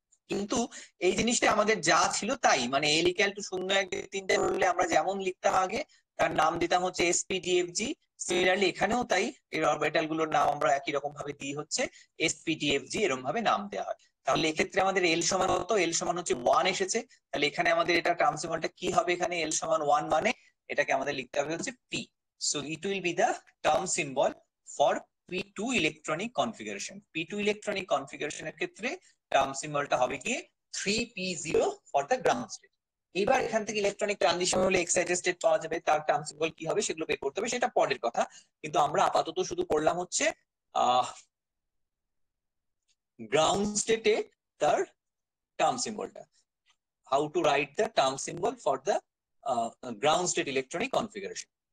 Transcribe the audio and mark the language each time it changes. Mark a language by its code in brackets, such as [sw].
[bn] কিন্তু এই জিনিসটা আমাদের যা ছিল তাই, মানে এল ইকুয়াল টু 0, 1, 2, 3 হলে আমরা যেমন লিখতাম আগে তার নাম দিতাম হচ্ছে এস, পি, ডি, এফ, জি। সিমিলারলি এখানেও তাই, এর অরবিটাল গুলোর নাম আমরা একই রকম ভাবে দিই হচ্ছে এস, পি, ডি, এফ, জি, এরকম ভাবে নাম দেওয়া হয়। তাহলে এক্ষেত্রে আমাদের এল সমান হতো, এল সমান হচ্ছে 1 এসেছে, তাহলে এখানে আমাদের এটা টার্ম সিম্বলটা কি হবে, এখানে এল সমান 1 মানে এটাকে আমাদের লিখতে হবে হচ্ছে P. [en] So it will be the term symbol for P2 electronic configuration. P2 electronic configuration [bn] এর ক্ষেত্রে [en] term symbol [bn] টা হবে কি [en] 3P0 for the ground state. [bn] এবার এখান থেকে ইলেকট্রনিক ট্রানজিশন হলে এক্সাইটেড স্টেট পাওয়া যাবে, তার টার্ম সিম্বল কি হবে সেগুলো বের করতে হবে, সেটা পরের কথা। কিন্তু আমরা আপাতত শুধু করলাম হচ্ছে গ্রাউন্ড স্টেটে তার term সিম্বলটা, [en] How to write the term symbol for the ground state electronic configuration.